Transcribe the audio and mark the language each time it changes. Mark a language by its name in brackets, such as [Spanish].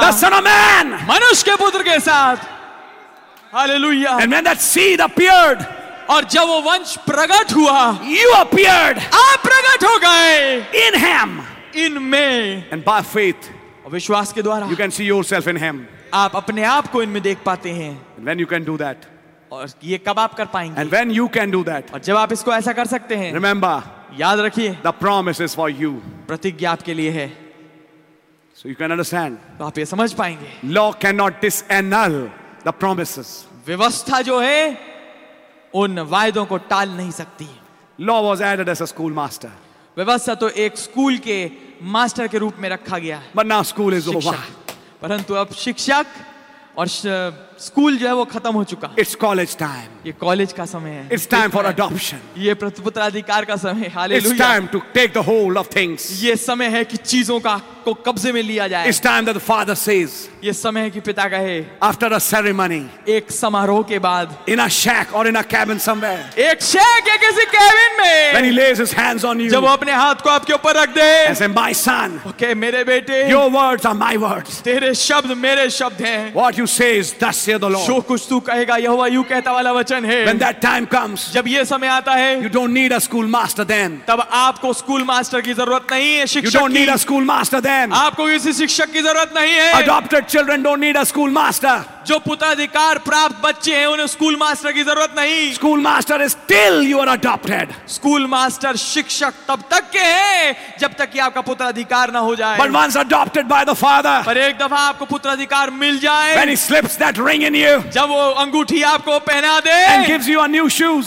[English] The son of man. [Hindi] मनुष्य के पुत्र के साथ. Hallelujah. [English] And when that seed appeared. [Hindi] और जब वो वंश प्रकट हुआ. [English] You appeared. [Hindi] आप प्रकट हो गए. [English] In him. In me. And by faith. [Hindi] और विश्वास के द्वारा. [English] You can see yourself in him. [Hindi] आप अपने आप को इनमें देख पाते हैं. [English] And when you can do that. [Hindi] और ये कब आप कर पाएंगे. [English] And when you can do that. [Hindi] और जब आप इसको ऐसा कर सकते हैं. [English] Remember. [Hindi] याद रखिए. [English] The promise is for you. [Hindi] प्रतिज्ञा आपके लिए है. [English] So you can understand. [Hindi] तो आप ये समझ पाएंगे. [English] Law cannot disannul the promises. [Hindi] व्यवस्था जो है उन वायदों को टाल नहीं सकती. [English] Law was added as a schoolmaster. [Hindi] व्यवस्था तो एक स्कूल के मास्टर के रूप में रखा गया. [English] But now school is over. [Hindi] परंतु अब शिक्षक और स्कूल जो है वो खत्म हो चुका. [English] It's college time. [Hindi] ये कॉलेज का समय है. [English] It's time for adoption. [Hindi] ये प्रतिपुत्र अधिकार का समय. Hallelujah. [English] It's time to take the whole of things. [Hindi] ये समय है कि चीजों का को कब्जे में लिया जाए. [English] It's time that the father says. [Hindi] ये समय है कि पिता कहे. [English] After a ceremony. [Hindi] एक समारोह के बाद. [English] In a shack or in a cabin somewhere. [Hindi] एक शैक या किसी कैबिन में. [English] When he lays his hands on you. [Hindi] जब वो अपने हाथ को आपके ऊपर रख दे. [English] As a my son. [Hindi] Okay मेरे बेटे. [English] Your words are my words. [Hindi] तेरे शब्द मेरे शब्द हैं. [English] What you say is thus says the Lord. [Hindi] जो कुछ तू कहेगा यहोवा यू कहता वाला वचन है. [English] When that time comes. [Hindi] जब ये समय आता है. [English] You don't need a school master then. [Hindi] तब आपको स्कूल मास्टर की जरूरत नहीं है. शिक्षक [English] You don't need a school master. [Hindi] आपको किसी शिक्षक की जरूरत नहीं है. [English] Adopted children don't need a school master. [Hindi] जो पुत्राधिकार प्राप्त बच्चे हैं उन्हें स्कूल मास्टर की जरूरत नहीं. [English] School master is till you are adopted. [Hindi] School master शिक्षक तब तक के हैं जब तक कि आपका पुत्राधिकार ना हो जाए. [English] But once adopted by the father. [Hindi] पर एक दफा आपको पुत्राधिकार मिल जाए. [English] When he slips that ring in you. [Hindi] जब वो अंगूठी आपको पहना दे. [English] And gives you a new shoes.